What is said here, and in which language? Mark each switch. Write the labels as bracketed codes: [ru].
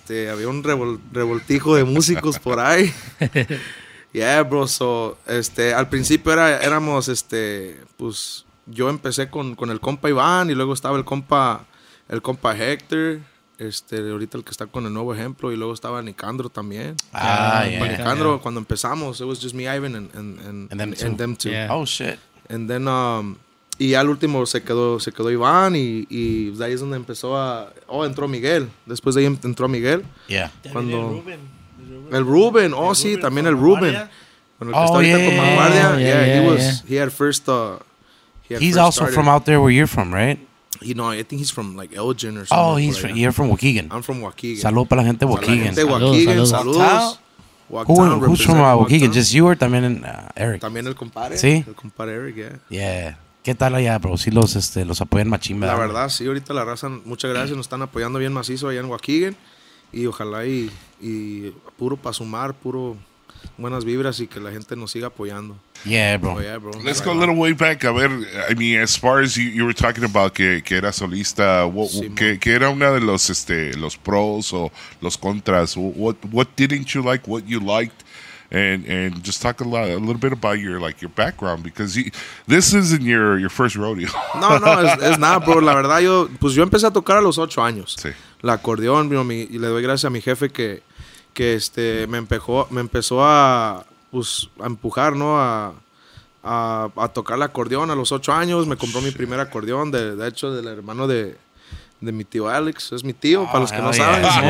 [es] Había un revoltijo de músicos por ahí. [en] Yeah, bro, [es] so al principio éramos pues yo empecé con el compa Iván y luego estaba el compa Hector, ahorita el que está con el nuevo ejemplo, y luego estaba Nicandro también. Nicandro, [en] yeah. [es] Cuando empezamos, [en] it was just me, Ivan and them two. Yeah. Oh shit. And then [es] y al último se quedó Iván y de ahí es donde empezó a... Oh, entró Miguel. Después de ahí entró Miguel. [en] Yeah. [es] Cuando, El Ruben. Oh, el sí, Ruben también el Ruben. Bueno, el que está ahorita con [en] Vanguardia. He had first... He's first also started. From out there where you're from, right? You know, I think he's from like Elgin or something. Oh, you're from Waukegan. I'm from Waukegan. [es] Salud para la gente de Waukegan. Saludos. [en] Who's from Waukegan? Just you or [es] también [en] Eric? [es] También el compadre. Sí. El compadre Eric, yeah. Yeah. ¿Qué tal allá, bro? Sí los los apoyan machín, ¿verdad? La verdad, sí, ahorita la raza, muchas gracias, nos están apoyando bien macizo allá en Waukegan. Y ojalá y puro para sumar, puro buenas vibras y que la gente nos siga apoyando. [en] Yeah, bro. Oh, yeah, bro. Let's go a little way back. [es] A ver, [en] I mean, as far as you were talking about [es] que era solista, que era una de los los pros o los contras, [en] what didn't you like, what you liked? And just talk a little bit about your background, because this isn't your first rodeo. [es] No, es nada, bro. La verdad, yo empecé a tocar a los 8 años. Sí. La acordeón, bro, y le doy gracias a mi jefe que me empezó a, pues, a empujar, ¿no? A tocar la acordeón a los 8 años. Me compró mi primer acordeón, de hecho, del hermano de mi tío Alex, es mi tío, para los que no saben.